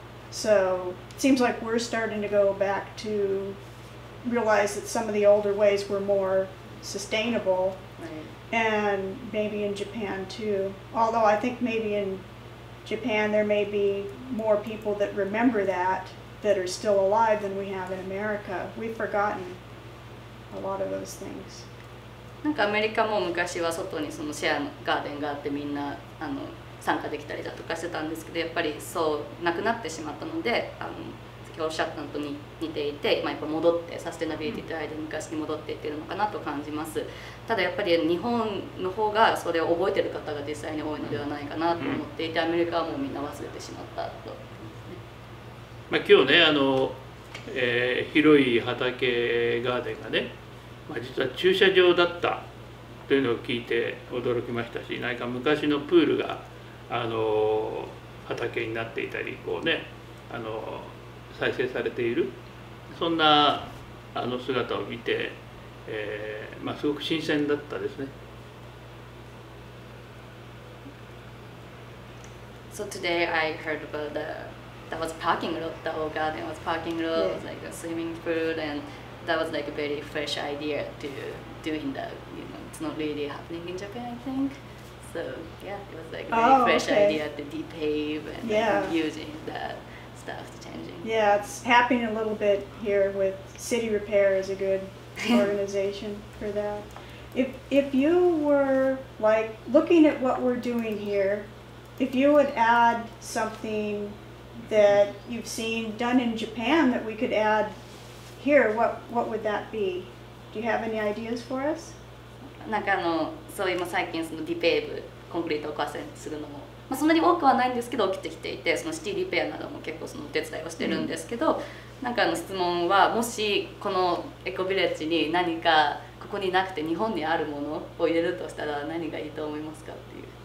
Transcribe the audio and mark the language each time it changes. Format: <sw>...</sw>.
<en>So it seems like we're starting to go back to realize that some of the older ways were more sustainable. Right. And maybe in Japan too. Although I think maybe in Japan there may be more people that remember that are still alive than we have in America. We've forgotten a lot of those things.</en> <ja>なんかアメリカも昔は外にそのシェアのガーデンがあってみんなあの参加できたりだとかしてたんですけど、やっぱりそうなくなってしまったので、あの先ほどおっしゃったのと似ていて、まあ、やっぱ戻ってサステナビリティというアイデアに昔に戻っていってるのかなと感じます。ただやっぱり日本の方がそれを覚えてる方が実際に多いのではないかなと思っていて、アメリカはもうみんな忘れてしまったと。まあ、今日ね、あの、広い畑ガーデンがね、まあ、実は駐車場だったというのを聞いて驚きましたし、何か昔のプールがあの畑になっていたり、こうね、あの再生されているそんなあの姿を見て、まあ、すごく新鮮だったですね。</ja> <en>So today I heard about the that was parking lot, the whole garden was parking lot, yeah. Was like a swimming pool, and that was like a very fresh idea to doing that, you know, it's not really happening in Japan, I think. So yeah, it was like a very fresh idea to depave and using that stuff to changing. Yeah, it's happening a little bit here with City Repair is a good organization for that. If you were like looking at what we're doing here, if you would add something that you've seen done in Japan that we could add here, what would that be? Do you have any ideas for us?</en> <ja>なんかあのそういう最近そのディペーブコンクリートを壊せるするのも、まあ、そんなに多くはないんですけど起きてきていて、そのシティリペアなども結構そのお手伝いをしてるんですけど、なんかあの質問はもしこのエコビレッジに何かここになくて日本にあるものを入れるとしたら何がいいと思いますかっていう。</ja>